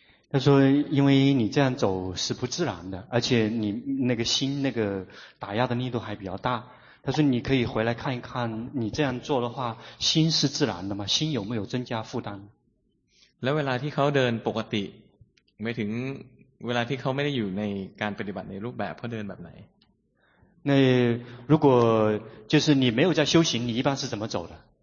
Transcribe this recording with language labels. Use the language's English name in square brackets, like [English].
[Chinese] 他说因为你这样走是不自然的而且你那个心那个打压的力度还比较大他说你可以回来看一看你这样做的话心是自然的吗心有没有增加负担 [Thai] แล้วเวลาที่เขาเดินปกติไม่ถึงเวลาที่เขาไม่ได้อยู่ในการปฏิบัติในรูปแบบเขาเดินแบบไหน [Chinese] 那如果就是你没有在修行你一般是怎么走的